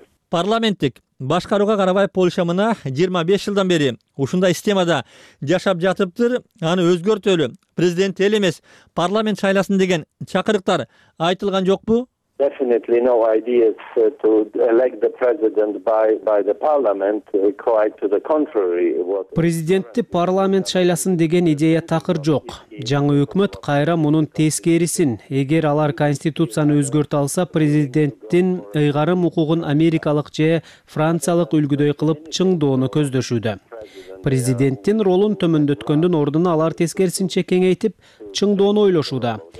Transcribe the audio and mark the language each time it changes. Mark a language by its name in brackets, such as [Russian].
[Kyrgyz] Парламенттик башкарууга карабай Польша мына 25 жылдан бери ушундай системада жашап жатыптыр. Аны өзгөртөлү, президент эле эмес, парламент шайласын деген чакырыктар айтылган жокпу? [English] Definitely no ideas to elect the president by the parliament, quite to the contrary. [Kyrgyz] Президентти парламент шайласын деген идея такыр жок. Жаңы өкмөт кайра мунун тескерисин. Эгер алар конституцияны өзгөртө алса, президенттин ыйгарым укугун америкалык же франциялык үлгүдөй кылып чыңдоону көздөшүүдө. Президенттин ролун төмөндөткөндүн ордуна алар тескерисинче кеңейтип чыңдоону ойлошууда.